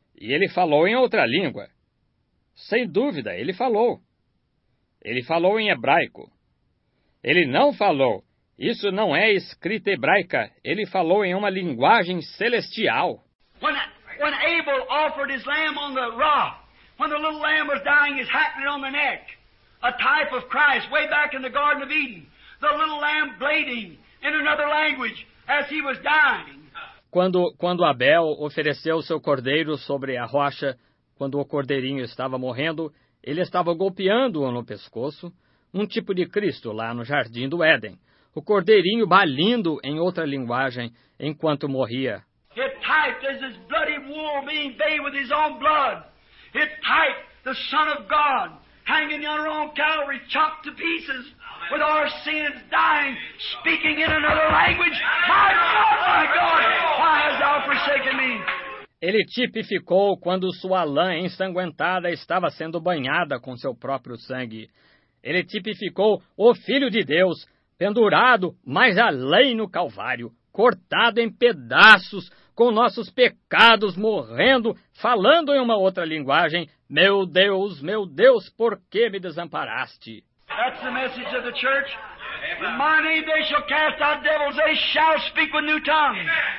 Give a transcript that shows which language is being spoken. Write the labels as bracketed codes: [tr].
[pt] E ele falou em outra língua. Sem dúvida, ele falou. Ele falou em hebraico. Ele não falou. Isso não é escrita hebraica. Ele falou em uma linguagem celestial. [en] When Abel offered his lamb on the rock, when the little lamb was dying, his hackney on the neck, a type of Christ, way back in the Garden of Eden, the little lamb bleeding in another language as he was dying. [pt] Quando Abel ofereceu seu cordeiro sobre a rocha, quando o cordeirinho estava morrendo, ele estava golpeando-o no pescoço, um tipo de Cristo lá no jardim do Éden, o cordeirinho balindo em outra linguagem enquanto morria. [en] It typed as his bloody wool being bathed with his own blood. It typed the Son of God hanging on our own Calvary, chopped to pieces, with our sins dying, speaking in another language. My God, why hast thou forsaken me? [pt] Ele tipificou quando sua lã ensanguentada estava sendo banhada com seu próprio sangue. Ele tipificou o Filho de Deus, pendurado mais além no Calvário, cortado em pedaços, com nossos pecados morrendo, falando em uma outra linguagem. Meu Deus, por que me desamparaste? [en] That's the message of the church. In my name they shall cast out devils, they shall speak with new tongues.